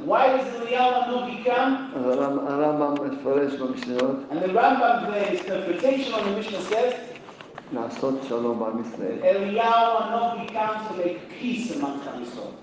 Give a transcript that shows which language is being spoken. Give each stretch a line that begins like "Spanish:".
English: Why does
Hebrew: אליהו הנביא כאן? הרמב״ם מפרש במשניות
English: and the Rambam the interpretation on the Mishnah says
Hebrew: לעשות שלום בעם ישראל אליהו הנביא כאן
English: to make peace among the Israel